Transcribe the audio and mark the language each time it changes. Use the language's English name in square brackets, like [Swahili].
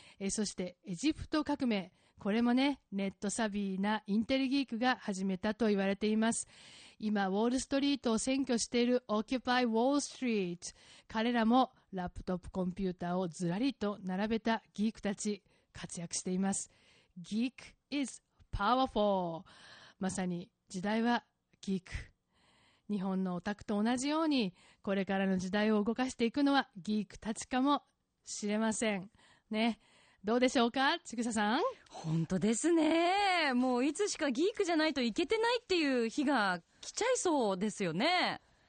[Japanese] そしてエジプト革命、これもねネットサビーなインテリギークが始めたと言われています。今ウォールストリートを占拠しているオキュパイウォールストリート、彼らもラップトップコンピューターをずらりと並べたギークたち、活躍しています。 [English] ギーク is powerful。 [Japanese] まさに時代はギーク。日本のオタクと同じようにこれからの時代を動かしていくのはギークたちかもしれませんね。どうでしょうか、ちぐささん。本当ですね。もういつしかギークじゃないといけてないっていう日が来ちゃいそうですよね。